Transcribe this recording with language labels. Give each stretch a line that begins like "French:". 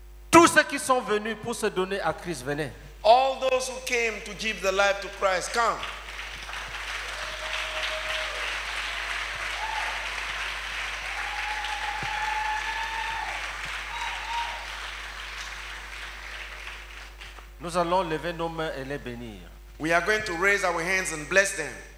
French: Tous ceux qui sont venus pour se donner à Christ, venez.
English: All those who came to give their life to Christ, come.
French: Nous allons lever nos mains et les bénir.
English: We are going to raise our hands and bless them.